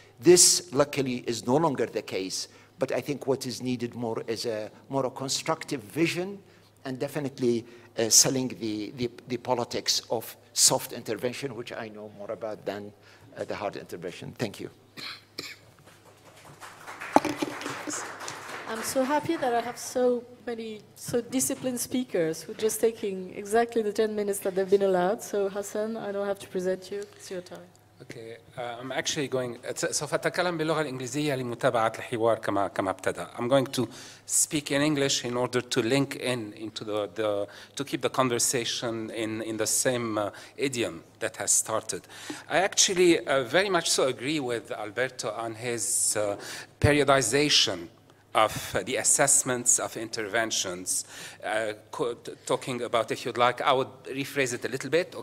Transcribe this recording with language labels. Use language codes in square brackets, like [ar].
[en] This, luckily, is no longer the case, but I think what is needed more is a constructive vision, and definitely selling the politics of soft intervention, which I know more about than the hard intervention. Thank you. I'm so happy that I have so many so disciplined speakers who are just taking exactly the 10 minutes that they've been allowed. So Hassan, I don't have to present you. It's your time. Okay, I'm actually going. [ar] سوف أتكلم باللغة الإنجليزية لمتابعة الحوار كما ابتدأ. [en] I'm going to speak in English in order to link into the to keep the conversation in the same idiom that has started. I actually very much so agree with Alberto on his periodization of the assessments of interventions, talking about, if you'd like, I would rephrase it a little bit.